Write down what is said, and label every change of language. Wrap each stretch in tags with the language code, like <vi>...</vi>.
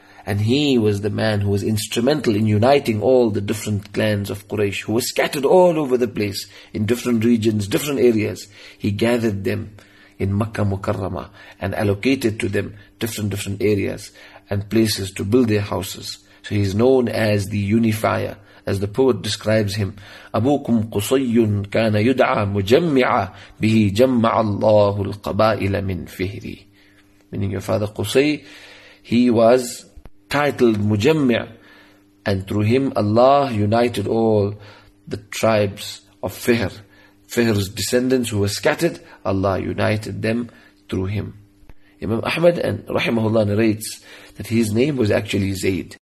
<en>And he was the man who was instrumental in uniting all the different clans of Quraysh, who were scattered all over the place, in different regions, different areas. He gathered them in Makkah Mukarrama and allocated to them different areas and places to build their houses. So he is known as the unifier. As the poet describes him,</en> <ar>أَبُوكُمْ قُصَيٌّ كَانَ يُدْعَى مُجَمِّعَ بِهِ جَمَّعَ اللَّهُ الْقَبَائِلَ مِنْ فِهْرِي.</ar> <en>Meaning your father Qusay, he was titled Mujammi', and through him Allah united all the tribes of Fihr. Fihr's descendants who were scattered, Allah united them through him. Imam Ahmad and Rahimahullah narrates that his name was actually Zayd.</en>